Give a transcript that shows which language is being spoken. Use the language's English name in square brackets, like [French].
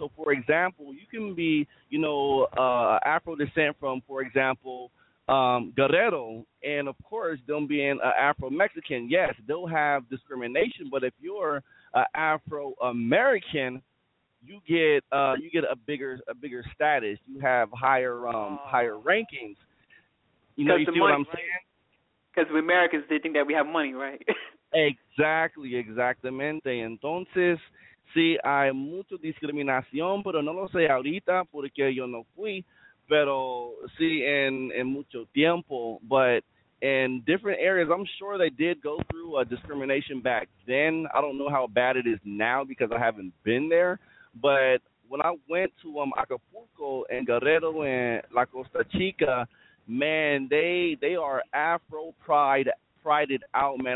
[English] So, for example, you can be, you know, Afro descent from, for example, Guerrero, and of course, them being Afro Mexican, yes, they'll have discrimination. But if you're Afro American, you get a bigger status. You have higher rankings. You know, you see money, what I'm right? saying? Because we Americans, they think that we have money, right? Exactly, [Spanish] exactamente. Entonces, sí, hay mucha discriminación, pero no lo sé ahorita porque yo no fui, pero sí, en mucho tiempo. [English] But in different areas, I'm sure they did go through a discrimination back then. I don't know how bad it is now because I haven't been there. But when I went to Acapulco and Guerrero and La Costa Chica, man, they are Afro prided out, man.